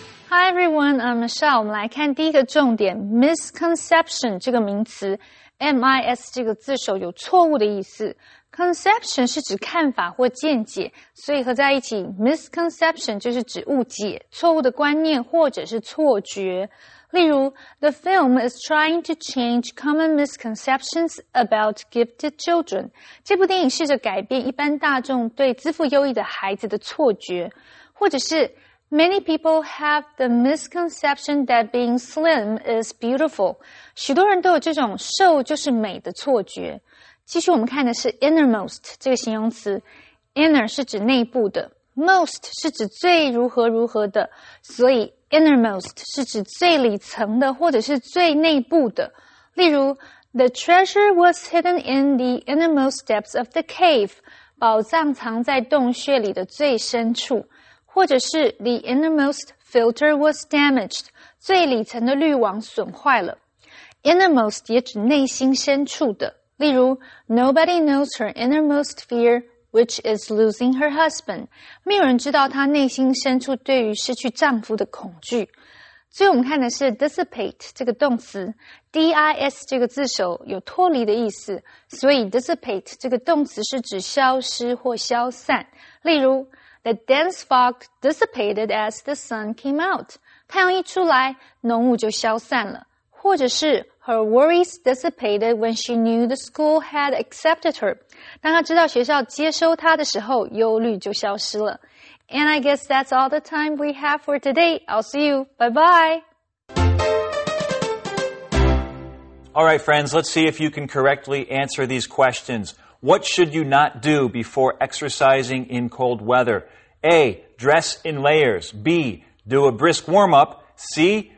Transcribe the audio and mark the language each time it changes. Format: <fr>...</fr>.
<zh>Hi everyone, I'm Michelle. 我们来看第一个重点 ,misconception 这个名词 ,MIS 这个字首有错误的意思。 Conception 是指看法或见解，所以合在一起 ,misconception 就是指误解、错误的观念或者是错觉。</zh> <en>例如 ,the film is trying to change common misconceptions about gifted children.</en> <zh>这部电影试着改变一般大众对资赋优异的孩子的错觉。</zh> <en>或者是 Many people have the misconception that being slim is beautiful.</en> <zh>许多人都有这种瘦就是美的错觉。继续我们看的是 innermost 这个形容词。inner 是指内部的 ,most 是指最如何如何的。所以 innermost 是指最里层的或者是最内部的。</zh> <en>例如 ,the treasure was hidden in the innermost depths of the cave.</en> <zh>宝藏藏在洞穴里的最深处。或者是 the innermost filter was damaged, 最里层的滤网损坏了。 innermost 也指内心深处的。例如 , nobody knows her innermost fear, which is losing her husband. 没有人知道她内心深处对于失去丈夫的恐惧。最后我们看的是 dissipate 这个动词 ,dis 这个字首有脱离的意思。所以 dissipate 这个动词是指消失或消散。</zh> <en>例如 The dense fog dissipated as the sun came out.</en> <zh>太阳一出来，浓雾就消散了。</zh> <en>或者是 her worries dissipated when she knew the school had accepted her.</en> <zh>当她知道学校接收她的时候，忧虑就消失了。</zh> <en>And I guess that's all the time we have for today. I'll see you. Bye-bye. All right, friends, let's see if you can correctly answer these questions. What should you not do before exercising in cold weather? A. Dress in layers. B. Do a brisk warm-up. C.</en>